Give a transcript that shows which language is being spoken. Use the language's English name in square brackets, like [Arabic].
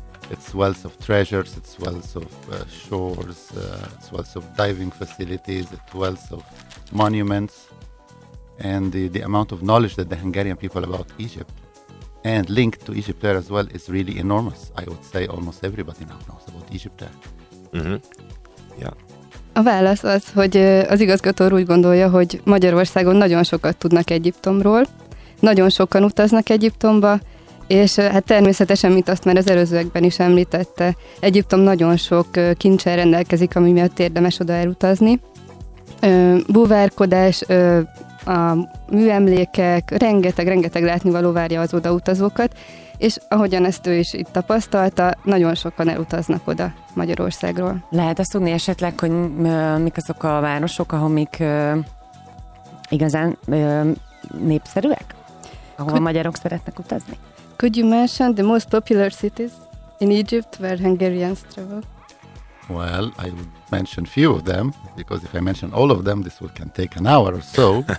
[English] It's wealth of treasures, it's wealth of shores, it's wealth of diving facilities, it's wealth of monuments. And the amount of knowledge that the Hungarian people about Egypt and linked to Egypt there as well is really enormous. I would say almost everybody now knows about Egypt there. Mm-hmm. Yeah. [Hungarian] A válasz az, hogy az igazgató úgy gondolja, hogy Magyarországon nagyon sokat tudnak Egyiptomról, nagyon sokan utaznak Egyiptomba, és hát természetesen, mint azt már az előzőekben is említette, Egyiptom nagyon sok kincsel rendelkezik, ami miatt érdemes oda elutazni. Búvárkodás, a műemlékek, rengeteg látnivaló várja az odautazókat, és ahogyan ezt ő is itt tapasztalta, nagyon sokan elutaznak oda Magyarországról. Lehet azt tudni esetleg, hogy mik azok a városok, amik igazán népszerűek? Ahol a magyarok szeretnek utazni? [English] Could you mention the most popular cities in Egypt where Hungarians travel? Well, I would mention a few of them, because if I mention all of them, this would can take an hour or so.